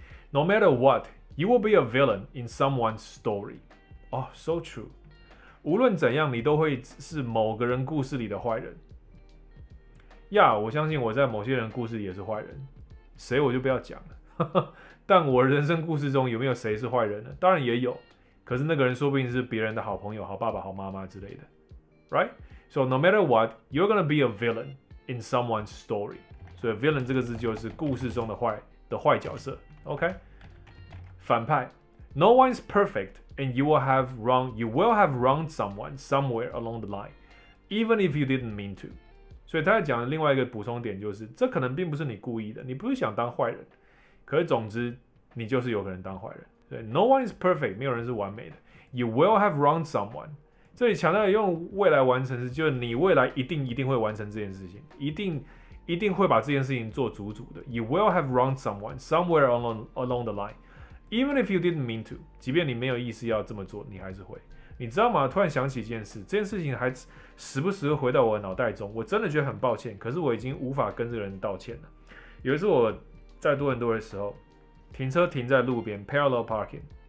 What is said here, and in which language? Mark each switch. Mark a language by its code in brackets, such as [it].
[en] No matter what, you will be a villain in someone's story. Oh, so true. [zh] 无论怎样，你都会是某个人故事里的坏人。 Yeah, 我相信我在某些人故事里也是坏人。谁我就不要讲了。但我人生故事中有没有谁是坏人呢？当然也有。可是那个人说不定是别人的好朋友、好爸爸、好妈妈之类的。 [en] Right? So no matter what, you're gonna be a villain in someone's story. [zh] 所以 villain 这个字就是故事中的坏角色。 OK， 反派。 [en] No one's perfect, and you will have wronged someone somewhere along the line, even if you didn't mean to. [zh] 所以他在讲的另外一个补充点就是，这可能并不是你故意的，你不是想当坏人，可是总之你就是有可能当坏人。 [en] 对 ，No one is perfect， [zh] 没有人是完美的。 [en] You will have wronged someone。 [zh] 这里强调用未来完成时，就是你未来一定会完成这件事情，一定会把这件事情做足的。 [en] You will have wronged someone somewhere along the line, even if you didn't mean to. [zh] 即便你没有意思要这么做，你还是会。你知道吗？突然想起一件事，这件事情还时不时回到我的脑袋中。我真的觉得很抱歉，可是我已经无法跟这个人道歉了。有一次我在多伦多的时候，停车停在路边 ，parallel parking。